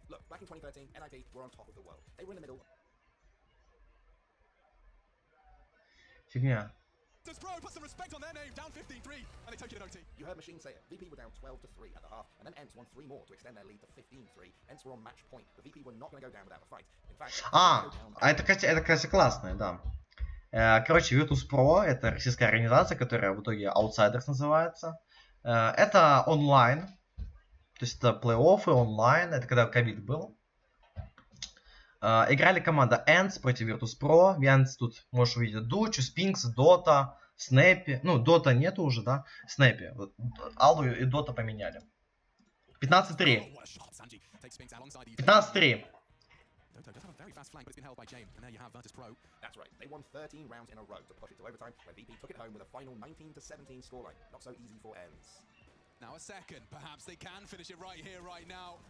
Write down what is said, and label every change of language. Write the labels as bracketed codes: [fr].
[en] Look, back in 2013, NIP were on top of the world. They were in the middle. [ru] Фигня. [en] Does Pro put some respect on their name? Down 15-3, and they take it in OT. You heard Machine say it. VP were down 12-3 at the half, and then Ents won three more to extend their lead to 15-3. Ents were on match point. The VP were not going to go down without a fight. In fact, [ru] это, конечно, классное, да. Короче, Virtus.pro — это российская организация, которая в итоге Outsiders называется. Это онлайн, то есть это плей-оффы онлайн, это когда ковид был. Играли команда Ents против Virtus.pro. В Ents тут можешь увидеть Дучу, Спинкс, Дота, Снэппи. Ну, Дота нету уже, да? Снэппи. Алу и Дота поменяли. 15-3. [en] Just have a very fast flank, but it's been held by Jane. And there you have Virtus.pro. That's right. They won 13 rounds in a row to push it to overtime, where VP took it home with a final 19-17 scoreline. Not so easy for Ents. Now a second. Perhaps they can finish it right here, right now.